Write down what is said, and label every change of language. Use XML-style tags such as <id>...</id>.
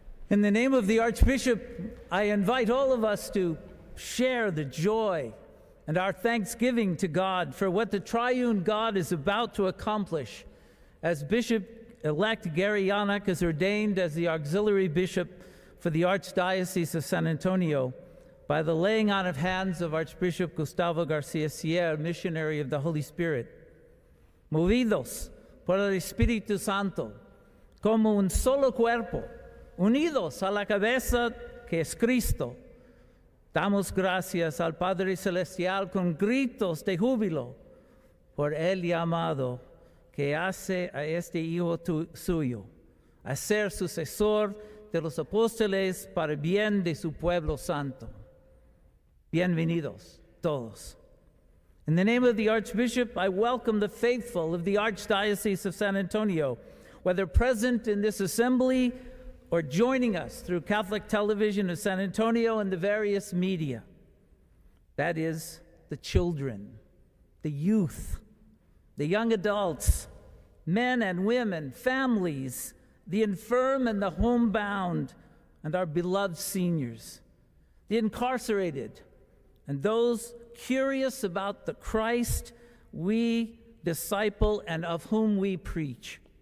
<en>In the name of the Archbishop, I invite all of us to share the joy and our thanksgiving to God for what the Triune God is about to accomplish as Bishop-elect Gary Janak is ordained as the Auxiliary Bishop for the Archdiocese of San Antonio by the laying on of hands of Archbishop Gustavo García-Siller, Missionary of the Holy Spirit.</en> <es>Movidos por el Espíritu Santo, como un solo cuerpo, unidos a la cabeza que es Cristo, damos gracias al Padre Celestial con gritos de júbilo por el llamado que hace a este hijo suyo a ser sucesor de los apóstoles para bien de su pueblo santo. Bienvenidos todos.</es> <en>In the name of the Archbishop, I welcome the faithful of the Archdiocese of San Antonio, whether present in this assembly or joining us through Catholic Television of San Antonio and the various media. That is, the children, the youth, the young adults, men and women, families, the infirm and the homebound, and our beloved seniors, the incarcerated, and those curious about the Christ we disciple and of whom we preach.</en>